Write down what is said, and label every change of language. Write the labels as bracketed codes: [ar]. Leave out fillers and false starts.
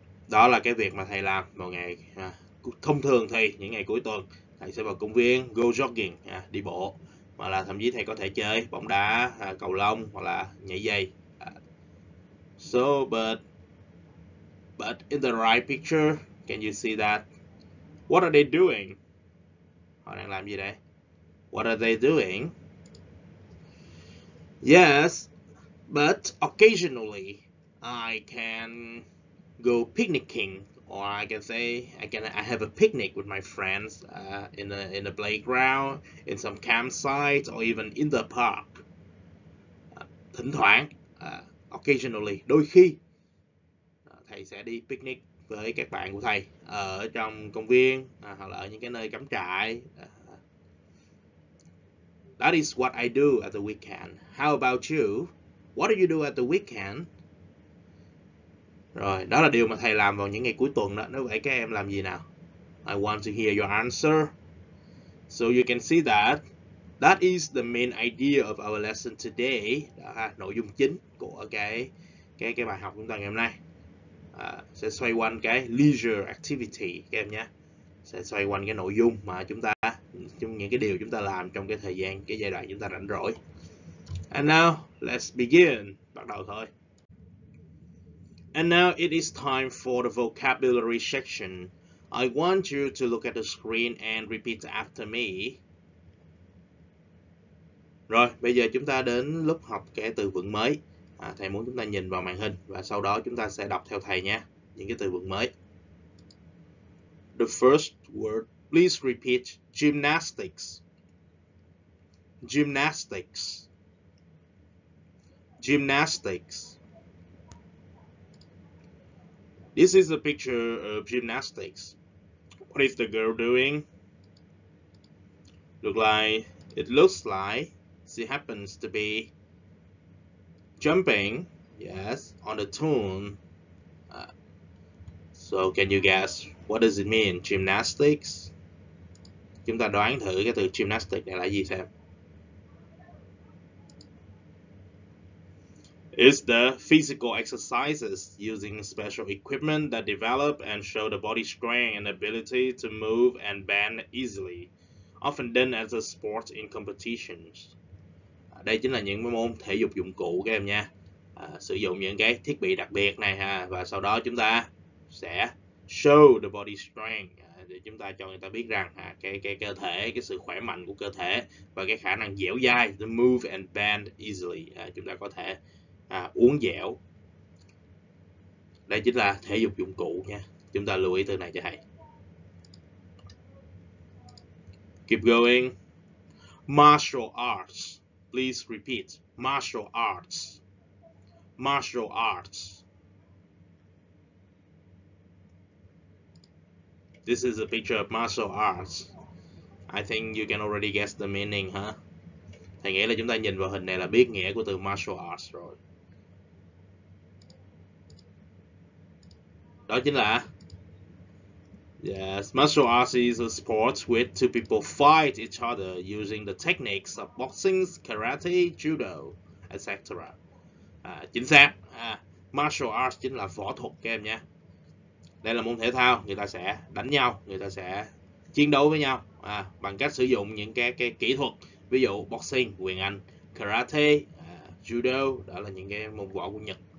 [vi] Đó là cái việc mà thầy làm mỗi ngày. Thông thường thì những ngày cuối tuần thầy sẽ vào công viên [en] go jogging, [vi] đi bộ, hoặc là thậm chí thầy có thể chơi bóng đá, cầu lông hoặc là nhảy dây. [en] So but in the right picture, can you see that? What are they doing? [vi] Họ đang làm gì đây? [en] What are they doing? Yes, but occasionally I can go picnicking. Or I have a picnic with my friends in the playground, in some campsite, or even in the park. [vi] thỉnh thoảng, occasionally, đôi khi, thầy sẽ đi picnic với các bạn của thầy ở trong công viên hoặc là ở những cái nơi cắm trại. [en] That is what I do at the weekend. How about you? What do you do at the weekend? [vi] Rồi, đó là điều mà thầy làm vào những ngày cuối tuần đó. Nếu vậy các em làm gì nào? [en] I want to hear your answer. So you can see that that is the main idea of our lesson today. [vi] Đó ha, nội dung chính của cái bài học chúng ta ngày hôm nay. Sẽ xoay quanh cái leisure activity các em nhé. Sẽ xoay quanh cái nội dung mà chúng ta, những cái điều chúng ta làm trong cái thời gian, cái giai đoạn chúng ta rảnh rỗi. [en] And now, let's begin. [vi] Bắt đầu thôi. [en] And now it is time for the vocabulary section. I want you to look at the screen and repeat after me. [vi] Rồi, bây giờ chúng ta đến lúc học cái từ vựng mới. Thầy muốn chúng ta nhìn vào màn hình và sau đó chúng ta sẽ đọc theo thầy nha, những cái từ vựng mới. [en] The first word, please repeat, gymnastics. Gymnastics. Gymnastics. This is a picture of gymnastics. What is the girl doing? Look like, it looks like she happens to be jumping, yes, on the tune. So can you guess what does it mean, gymnastics? [vi] Chúng ta đoán thử cái từ gymnastics này là gì xem. [en] It's the physical exercises using special equipment that develop and show the body strength and ability to move and bend easily, often done as a sport in competitions. [vi] Đây chính là những môn thể dục dụng cụ các em nha. Sử dụng những cái thiết bị đặc biệt này ha, và sau đó chúng ta sẽ [en] show the body strength, [vi] để chúng ta cho người ta biết rằng cái cơ thể, cái sự khỏe mạnh của cơ thể và cái khả năng dẻo dai, [en] to move and bend easily, [vi] chúng ta có thể uốn dẻo. Đây chính là thể dục dụng cụ nha. Chúng ta lưu ý từ này cho thầy. [en] Keep going. Martial arts. Please repeat. Martial arts. Martial arts. This is a picture of martial arts. I think you can already guess the meaning, huh? [vi] Thầy nghĩ là chúng ta nhìn vào hình này là biết nghĩa của từ martial arts rồi. Đó chính là, [en] yes, martial arts is a sport where two people fight each other using the techniques of boxing, karate, judo, etc. [vi] Chính xác, martial arts chính là võ thuật các em nha. Đây là môn thể thao, người ta sẽ đánh nhau, người ta sẽ chiến đấu với nhau bằng cách sử dụng những cái kỹ thuật, ví dụ boxing, quyền anh, karate, judo, đó là những cái môn võ của Nhật.